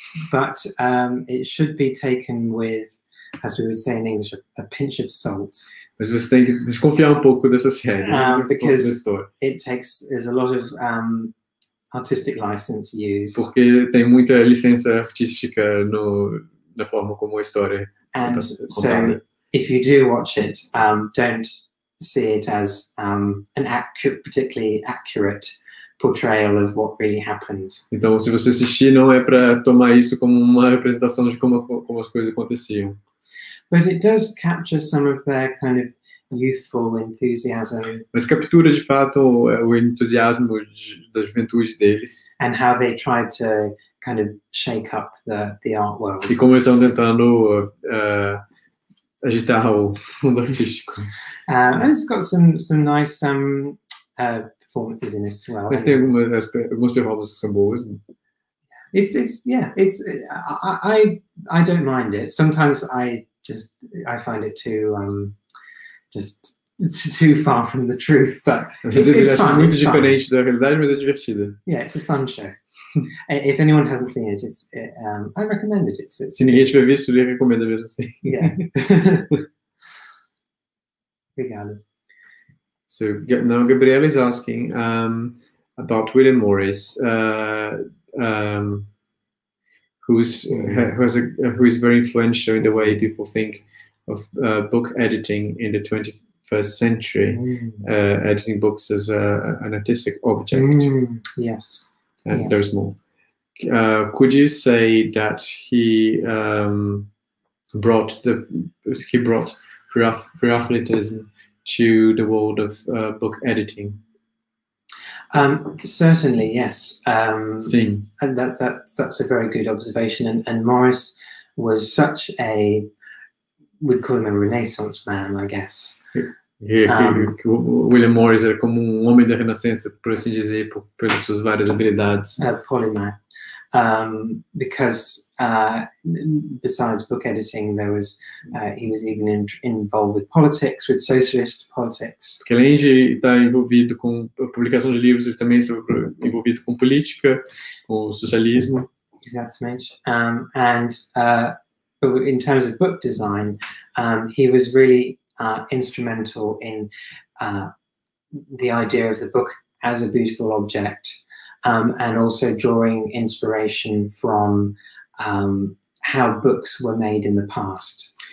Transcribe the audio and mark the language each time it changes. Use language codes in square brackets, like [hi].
[en] But it should be taken with, as we would say in English, a pinch of salt. [pt] Mas você tem que desconfiar um pouco dessa série. [en] Because it takes, there's a lot of artistic license to use. [pt] Porque tem muita licença artística no na forma como a história and é contada. [en] So, if you do watch it, don't see it as particularly accurate portrayal of what really happened. [pt] Então, se você assistir, não é para tomar isso como uma representação de como as coisas aconteciam. [en] But it does capture some of their kind of youthful enthusiasm. [pt] Mas captura de fato o entusiasmo da juventude deles. [en] And how they tried to kind of shake up the art world. [pt] E como eles estão tentando agitar o mundo artístico. [en] And it's got some nice performances in it as well. [pt] Mas tem algumas performances que são boas. [en] I don't mind it. Sometimes I find it too far from the truth, but it's fun. [pt] Muito diferente da realidade, mas é divertido. [en] Yeah, it's a fun show. If anyone hasn't seen it, I recommend it. [pt] Se ninguém tiver visto, eu recomendo mesmo assim. [en] Yeah. [pt] Obrigado. [en] So now Gabriel is asking about William Morris, who is very influential in the way people think of book editing in the 21st century, editing books as an artistic object. Mm. Yes. And there's more. Could you say that he brought Pre-Raphaelitism to the world of book editing? Certainly, yes. Theme. And that's a very good observation. And Morris was such a, we'd call him a Renaissance man, I guess. [pt] William Morris era como um homem da Renascença, por assim dizer, pelas suas várias habilidades. [en] Polymath. Because besides book editing, there was he was even involved with politics, with socialist politics. [pt] Porque além de estar envolvido com a publicação de livros, ele também estava envolvido com política, com o socialismo. Exatamente. [en] But in terms of book design, he was really instrumental in the idea of the book as a beautiful object, and also drawing inspiration from how books were made in the past.